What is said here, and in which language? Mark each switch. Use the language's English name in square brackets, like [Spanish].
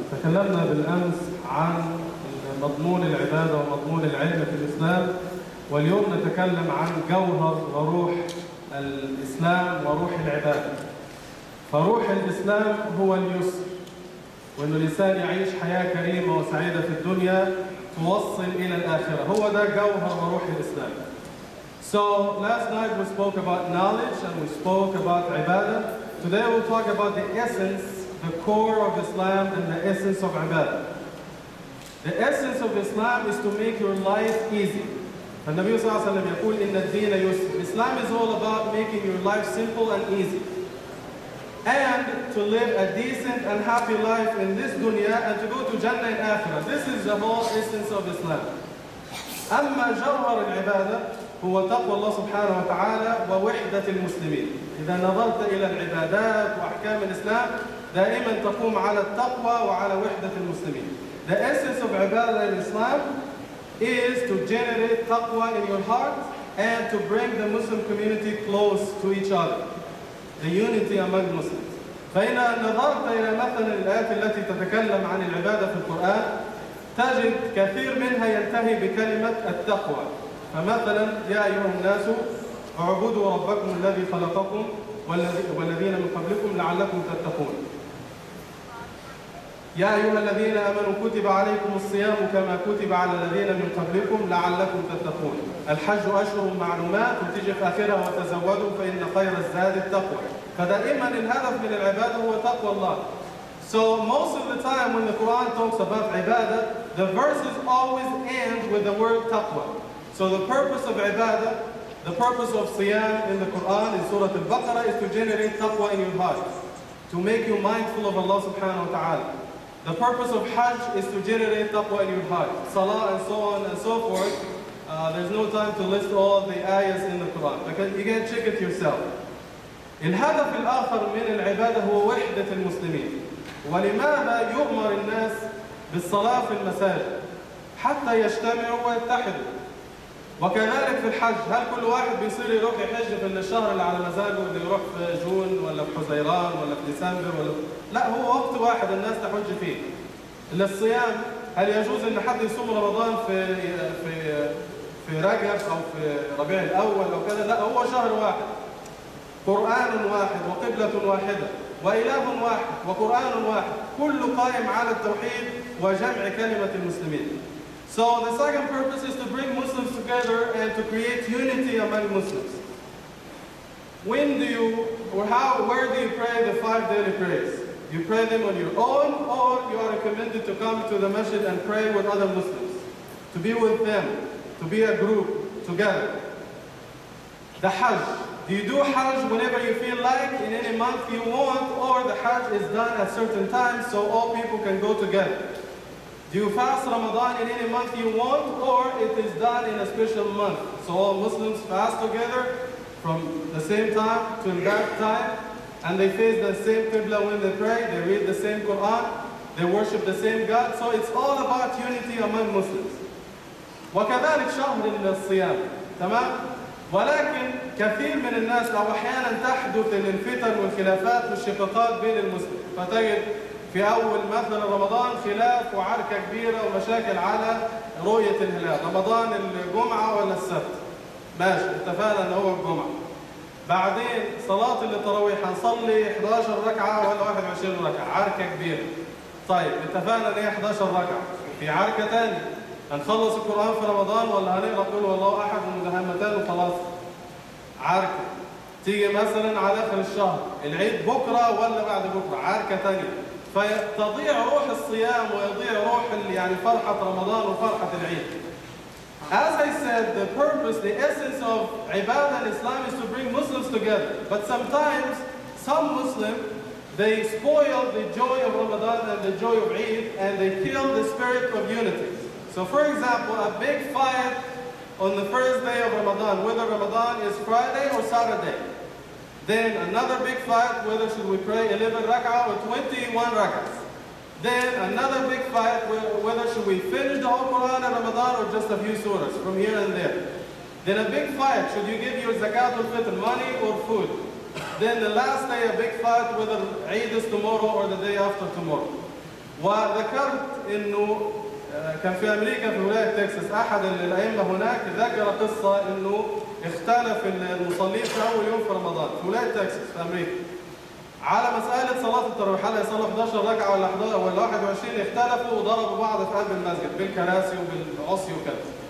[Arabic] تكلمنا بالأمس عن مضمون العبادة ومضمون العلم في الإسلام، واليوم نتكلم عن جوهر وروح الإسلام وروح العبادة. فروح الإسلام هو اليسر، وأن الإنسان يعيش حياة كريمة وسعيدة في الدنيا توصل إلى الآخرة، هو ده جوهر وروح الإسلام. [English] So last night we spoke about knowledge and we spoke about ibadah. Today we'll talk about the essence, the core of Islam and the essence of ibadah. The essence of Islam is to make your life easy. And Nabi Sallallahu Alaihi Wasallam [Arabic] يقول إن الدين يسر. [English] Islam is all about making your life simple and easy. And to live a decent and happy life in this dunya and to go to Jannah in Akhirah. This is the whole essence of Islam. [Arabic] أما جوهر العبادة هو تقوى الله سبحانه وتعالى ووحدة المسلمين. إذا نظرت إلى العبادات وأحكام الإسلام دائما تقوم على التقوى وعلى وحدة المسلمين. [English] The essence of [Arabic] عبادة الإسلام [English] is to generate تقوى in your heart and to bring the Muslim community close to each other. The unity among Muslims. [Arabic] فإن نظرت إلى مثلا الآيات التي تتكلم عن العبادة في القرآن تجد كثير منها ينتهي بكلمة التقوى. فمثلا يا أيها الناس اعبدوا ربكم الذي خلقكم والذين من قبلكم لعلكم تتقون. يا أيها الذين آمنوا كتب عليكم الصيام كما كتب على الذين من قبلكم لعلكم تتقون. الحج أشهر معلومات وتجي في آخرها وتزودوا فإن خير الزاد التقوى. فدائما الهدف من العبادة هو تقوى الله. [English] So most of the time when the Quran talks about ibadah, the verses always end with the word taqwa. So the purpose of ibadah, the purpose of siyam in the Quran, in Surah Al-Baqarah, is to generate taqwa in your heart, to make you mindful of Allah subhanahu wa ta'ala. The purpose of hajj is to generate taqwa in your heart, salah and so on and so forth. There's no time to list all the ayahs in the Quran, because you can check it yourself. [Arabic] الهدف الآخر من العبادة هو وحدة المسلمين. ولماذا يؤمر الناس بالصلاة في المساجد حتى يجتمعوا ويتحدوا؟ وكذلك في الحج، هل كل واحد بيصير يروح يحج في الشهر اللي على مزاجه، اللي يروح في جون ولا في حزيران ولا في ديسمبر ولا لا، هو وقت واحد الناس تحج فيه. للصيام، هل يجوز ان حد يصوم رمضان في رجب او في ربيع الاول او كذا؟ لا، هو شهر واحد. قران واحد وقبلة واحدة وإله واحد وقرآن واحد، كل قائم على التوحيد وجمع كلمة المسلمين. [English] So the second purpose is to bring Muslims together and to create unity among Muslims. When do you, or how, where do you pray the five daily prayers? You pray them on your own, or you are recommended to come to the masjid and pray with other Muslims. To be with them, to be a group, together. The Hajj. Do you do Hajj whenever you feel like, in any month you want, or the Hajj is done at certain times so all people can go together? Do you fast Ramadan in any month you want, or it is done in a special month so all Muslims fast together from the same time to that time, and they face the same Qibla when they pray, they read the same Quran, they worship the same God? So it's all about unity among Muslims. [Arabic] وَكَذَلِكْ شَهْرٍ مِنَ الصِّيَامِ تمام؟ ولكن كثير من الناس أو أحيانا تحدث الفتن والخلافات والشقاقات بين المسلمين، فتجد في أول مثلا رمضان خلاف وعركة كبيرة ومشاكل على رؤية الهلال، رمضان الجمعة ولا السبت؟ ماشي، اتفقنا إن هو الجمعة. بعدين صلاة التراويح هنصلي 11 ركعة ولا 21 ركعة؟ عركة كبيرة. طيب اتفقنا إن هي 11 ركعة، في عركة تانية. هنخلص القرآن في رمضان ولا هنقرأ قل والله أحد ومتهمتان وخلاص؟ عركة. تيجي مثلا على آخر الشهر العيد بكرة ولا بعد بكرة؟ عركة تانية. فتضيع روح الصيام ويضيع روح يعني فرحة رمضان وفرحة العيد. [English] As I said, the purpose, the essence of [Arabic] عبادة الإسلام [English] is to bring Muslims together. But sometimes, some Muslims, they spoil the joy of Ramadan and the joy of Eid and they kill the spirit of unity. So for example, a big fight on the first day of Ramadan, whether Ramadan is Friday or Saturday. Then another big fight, whether should we pray 11 rak'ah or 21 rak'ahs. Then another big fight, whether should we finish the whole Quran in Ramadan or just a few surahs from here and there. Then a big fight, should you give your zakat al-fitr, money or food? then the last day a big fight whether Eid is tomorrow or the day after tomorrow. [Arabic] وذكرت انه كان في امريكا في ولايه تكساس احد الائمه هناك ذكر قصه انه اختلف المصلين في اول يوم في رمضان في ولايه تكساس في امريكا على مساله صلاه التراويح هل هي صلاه 11 ركعه ولا 21 اختلفوا وضربوا بعض في قلب المسجد بالكراسي وبالعصي وكذا.